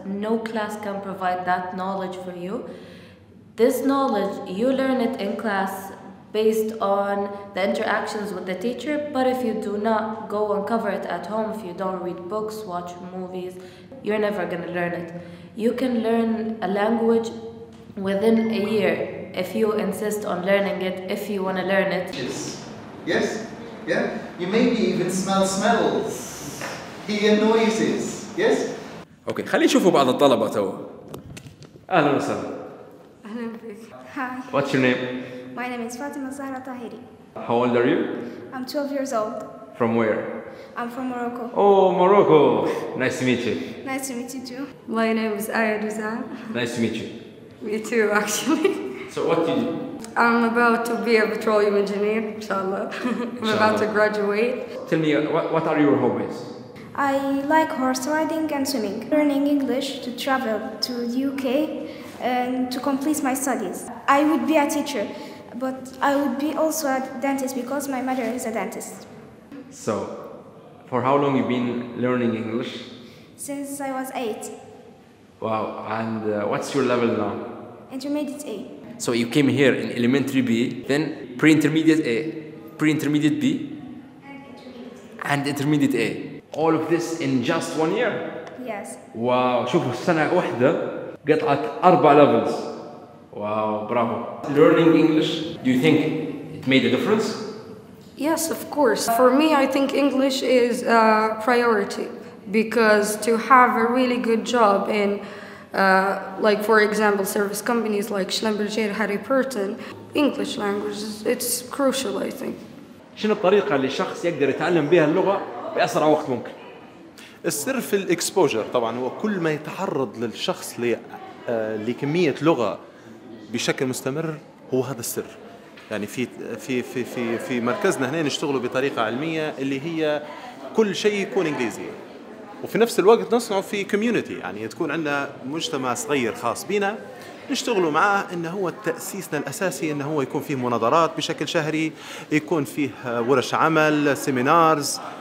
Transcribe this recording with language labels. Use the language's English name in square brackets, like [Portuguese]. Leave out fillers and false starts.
[English] No class can provide that knowledge for you. This knowledge, you learn it in class based on the interactions with the teacher, but if you do not go and cover it at home, if you don't read books, watch movies, you're never gonna learn it. You can learn a language within a year if you insist on learning it, if you wanna learn it. Yes, yes, yeah. You maybe even smell smells, hear noises, yes? Okay, [Arabic] خلي نشوفوا بعض الطلبة توا. أهلا وسهلا. أهلا بك. [English] Hi. What's your name? My name is Fatima Zahra Tahiri. How old are you? I'm 12 years old. From where? I'm from Morocco. Oh, Morocco! Nice to meet you. Nice to meet you too. My name is Aya Duzan. Nice to meet you. Me too, actually. So what do you do? I'm about to be a petroleum engineer, inshallah. I'm about to graduate. Tell me, what are your hobbies? I like horse riding and swimming. Learning English to travel to the UK and to complete my studies. I would be a teacher. But I would be also a dentist because my mother is a dentist. So, for how long you've been learning English? Since I was 8. Wow, and what's your level now? Intermediate A. So you came here in elementary B, then pre-intermediate A, pre-intermediate B, and intermediate A. All of this in just 1 year? Yes. [Arabic] Wow, شوفوا السنة واحدة قطعت 4 levels. [English] Wow, bravo. Learning English, do you think it made a difference? Yes, of course. For me, I think English is a priority because to have a really good job in, like for example, service companies like Schlumberger, Harry Purton, English language, it's crucial, I think. [Arabic] شنو الطريقة اللي شخص يقدر يتعلم بها اللغة بأسرع وقت ممكن؟ السر في الإكسبوجر طبعاً، وكل ما يتعرض للشخص لكمية لغة بشكل مستمر هو هذا السر. يعني في في في في في مركزنا هنا نشتغله بطريقة علمية اللي هي كل شيء يكون إنجليزي، وفي نفس الوقت نصنعه في كوميونيتي، يعني تكون عندنا مجتمع صغير خاص بنا نشتغله معاه، إنه هو تأسيسنا الأساسي إنه هو يكون فيه مناظرات بشكل شهري، يكون فيه ورش عمل، سيمينارز.